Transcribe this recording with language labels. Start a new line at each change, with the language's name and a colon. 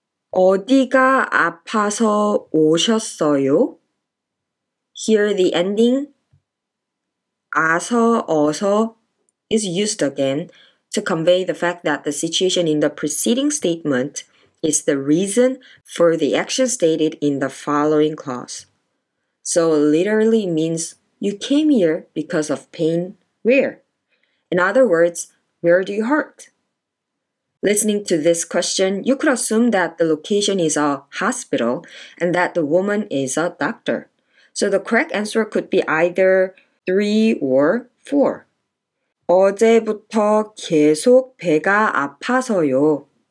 Korean: 어디가 아파서 오셨어요?
English: Here the ending 아서 어서 is used again to convey the fact that the situation in the preceding statement is the reason for the action stated in the following clause. So literally means you came here because of pain where? In other words, where do you hurt? Listening to this question, you could assume that the location is a hospital and that the woman is a doctor. So the correct answer could be either 3 or 4.
Korean: 어제부터 계속 배가 아파서요.